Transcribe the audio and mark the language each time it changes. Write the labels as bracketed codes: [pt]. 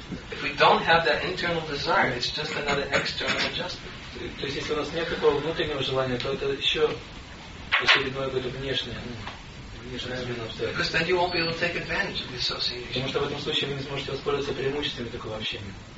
[en] if we don't have that internal desire, it's just another external adjustment. [ru] То есть если у нас нет такого внутреннего желания, то это еще очередное какое-то внешнее, [en] Because then you won't be able to take advantage of the association. [ru] Потому что в этом случае вы не сможете воспользоваться преимуществами такого общения.